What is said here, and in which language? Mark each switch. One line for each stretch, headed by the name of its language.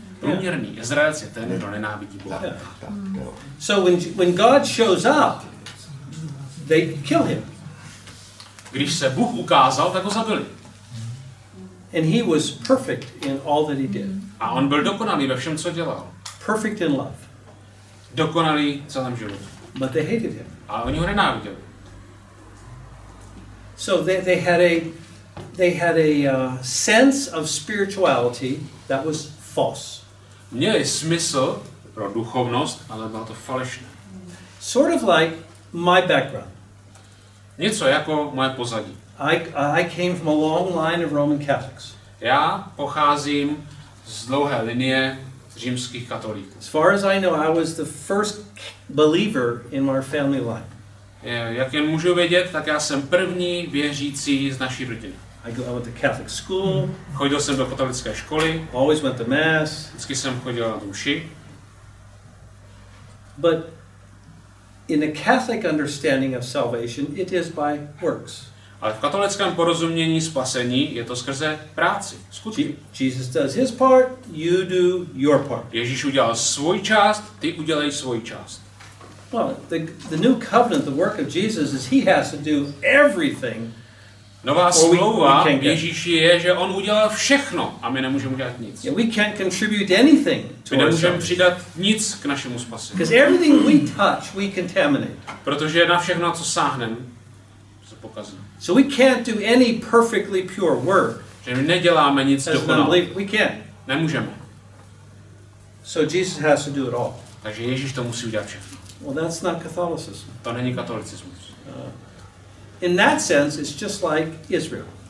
Czech: Průměrný Izraelec je ten, kdo nenávidí Boha.
English: So when God shows up, they kill him.
Czech: Když se Bůh ukázal, tak ho zabili.
English: And he was perfect in all that he did.
Czech: A on byl dokonalý ve všem, co dělal.
English: Perfect in love.
Czech: Dokonalý v celém životě.
English: But they hated him.
Czech: A oni ho nenáviděli.
English: So they had a sense of spirituality that was false.
Czech: Měli smysl pro duchovnost, ale bylo to falešné.
English: Sort of like my background.
Czech: Něco jako moje pozadí.
English: I came from a long line of Roman Catholics.
Czech: Já pocházím z dlouhé linie římských katolíků.
English: As far as I know, I was the first believer in our family line.
Czech: Jak jen můžu vědět, tak já jsem první věřící z naší rodiny.
English: I went to Catholic school.
Czech: Chodil jsem do katolické školy.
English: Always went to mass.
Czech: Vždycky jsem chodil na mši.
English: But in a Catholic understanding of salvation, it is by works.
Czech: Ale v katolickém porozumění spasení je to skrze práci, skutky.
English: Jesus does his part, you do your part.
Czech: Ježíš udělal svou část, ty udělej svou část.
English: Well, the new covenant, the work of Jesus is he has to do everything.
Czech: Nová smlouva Ježíši je, že on udělal všechno a my nemůžeme udělat nic.
English: Yeah, we can't contribute anything to our salvation.
Czech: My nemůžeme přidat nic k našemu spasení.
English: Because everything we touch, we contaminate.
Czech: Protože na všechno, co sáhneme,
English: so we can't do any perfectly pure work.
Czech: Že my neděláme nic dokonale.
English: We can't.
Czech: Nemůžeme.
English: So Jesus has to do it all.
Czech: Takže Ježíš to musí udělat všechno.
English: Well, that's not Catholicism.
Czech: To není katolicismus.
English: In that sense, it's just like Israel.